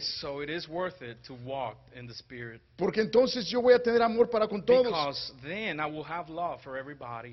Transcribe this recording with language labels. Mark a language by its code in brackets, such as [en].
[en] So it is worth it to walk in the Spirit. [es] Porque entonces yo voy a tener amor para con todos. [en] Because then I will have love for everybody.